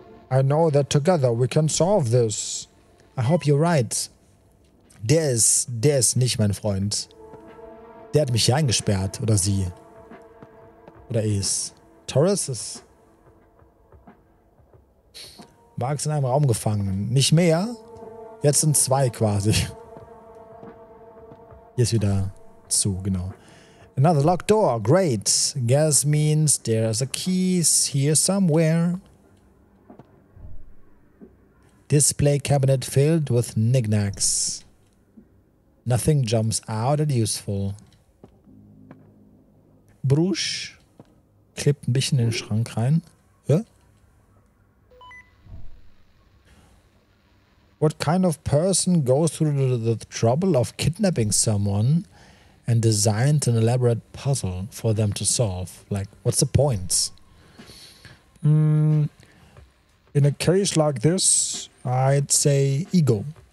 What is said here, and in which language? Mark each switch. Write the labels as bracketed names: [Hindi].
[English] I know that together we can solve this. I hope you're right. [German] Der ist nicht mein Freund. Der hat mich hier eingesperrt, oder sie. Oder es. Torres ist... Marx in einem Raum gefangen. Nicht mehr. Jetzt sind zwei quasi. Hier ist wieder zu, genau. [English] Another locked door. Great. Guess means there's a key here somewhere. Display cabinet filled with knickknacks. Nothing jumps out at useful. [German] Brusch klebt ein bisschen in den Schrank rein. Ja? [English] What kind of person goes through the trouble of kidnapping someone and designs an elaborate puzzle for them to solve? Like, what's the point? In a case like this, I'd say ego.